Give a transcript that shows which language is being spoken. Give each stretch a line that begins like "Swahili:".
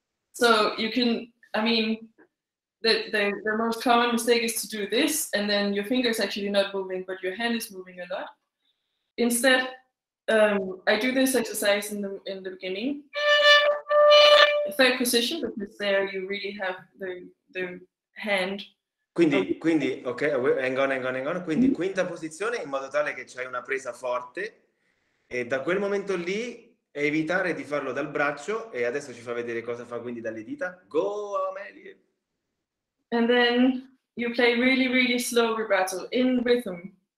English: So you can, I mean, the most common mistake is to do this, and then your finger is actually not moving, but your hand is moving a lot. Instead, I do this exercise in the beginning. Third position, because there you really have the hand.
Italian: Quindi,
English: ok, hang on.
Italian: Quindi quinta posizione in modo tale che c'hai una presa forte e da quel momento lì evitare di farlo dal braccio e adesso ci fa vedere cosa fa quindi dalle dita.
English: Go, Amelie! And then you play really, really slow vibrato in rhythm.